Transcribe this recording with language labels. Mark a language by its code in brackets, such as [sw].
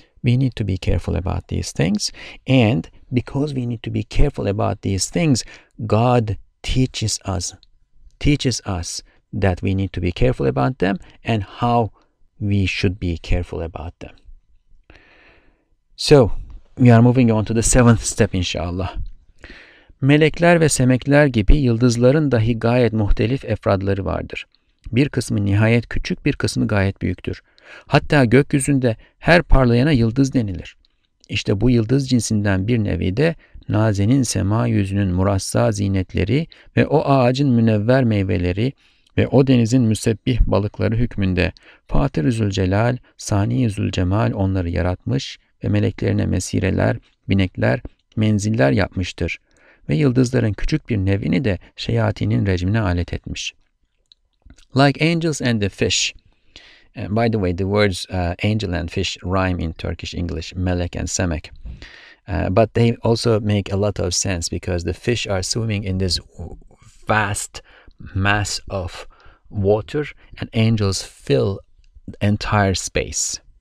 [en] We need to be careful about these things. And because we need to be careful about these things, God teaches us that we need to be careful about them and how we should be careful about them. So, we are moving on to the seventh step, inshallah. [tr] Melekler ve semekler gibi yıldızların dahi gayet muhtelif efradları vardır. Bir kısmı nihayet küçük, bir kısmı gayet büyüktür. Hatta gökyüzünde her parlayana yıldız denilir. İşte bu yıldız cinsinden bir nevi de nazenin sema yüzünün murassa zinetleri ve o ağacın münevver meyveleri ve o denizin müsebbih balıkları hükmünde Fatır-ı Zülcelal, Sani-i Zülcemal onları yaratmış ve meleklerine mesireler, binekler, menziller yapmıştır. Ve yıldızların küçük bir nevini de şeyatinin rejimine alet etmiş. [en] Like angels and the fish. And by the way, the words angel and fish rhyme in Turkish English, melek and semek. But they also make a lot of sense because the fish are swimming in this vast mass of water and angels fill entire space.